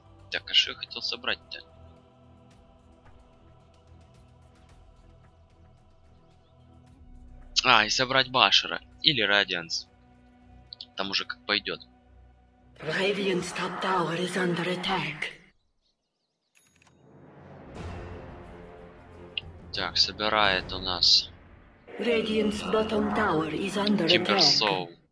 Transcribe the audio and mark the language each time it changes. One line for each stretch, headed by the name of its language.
Russian: Так, а что я хотел собрать-то? А, и собрать Башера, или Radiance. Там уже как пойдет.
English: Radiance Top Tower is under attack.
Russian: Так, собирает у нас Deeper Soul.